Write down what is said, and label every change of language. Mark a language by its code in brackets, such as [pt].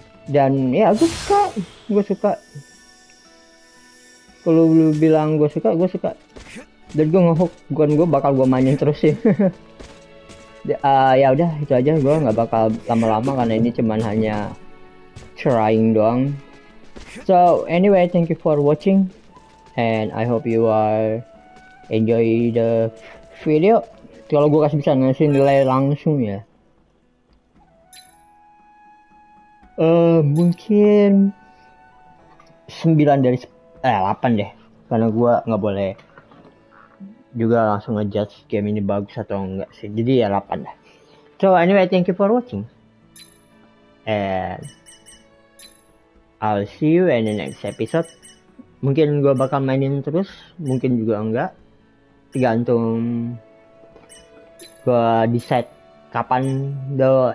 [id] Dan ya gua suka. Kalau lu bilang gua suka. Dan gue ngehook, bukan gue bakal gue mainin terus sih. ya udah itu aja, gue nggak bakal lama-lama karena ini cuman hanya trying doang. [en] So anyway, thank you for watching, and I hope you are enjoy the video. [id] Kalau gue kasih bisa ngasih nilai langsung ya. Mungkin 9 dari 8 deh, karena gue nggak boleh juga langsung ngejudge game ini bagus atau enggak sih. Jadi ya 8 lah. [en] So anyway, thank you for watching, and I'll see you in the next episode. [id] Mungkin gua bakal mainin terus, mungkin juga enggak, tergantung gua decide kapan though.